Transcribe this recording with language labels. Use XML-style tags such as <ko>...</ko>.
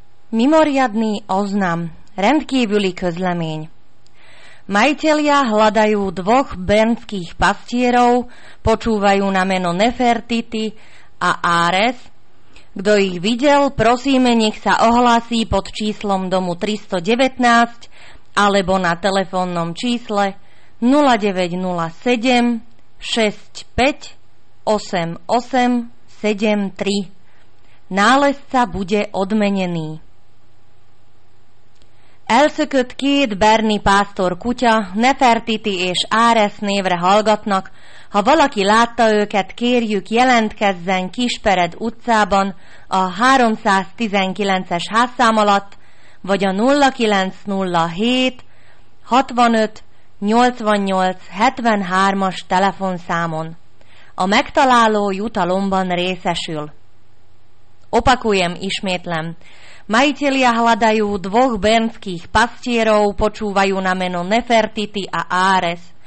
<sk>Mimoriadny oznam,</sk> <hu>rendkívüli közlemény.</hu> <sk>Majitelia hľadajú dvoch bernských pastierov, počúvajú na meno Nefertiti a Ares. Kto ich videl, prosíme, nech sa ohlásí pod číslom domu 319 alebo na telefónnom čísle 0907 65 88 73. Nálezca bude odmenený.</sk> <hu>Elszökött két berni pásztor kutya, Nefertiti és Ares névre hallgatnak, ha valaki látta őket, kérjük jelentkezzen Kispered utcában a 319-es házszám alatt, vagy a 0907 65 88 73-as telefonszámon. A megtaláló jutalomban részesül.</hu> <sk>Opakujem</sk> <hu>ismétlem.</hu> <sk>Majitelia hľadajú dvoch bernských pastierov, počúvajú na meno Nefertiti a Ares.</sk>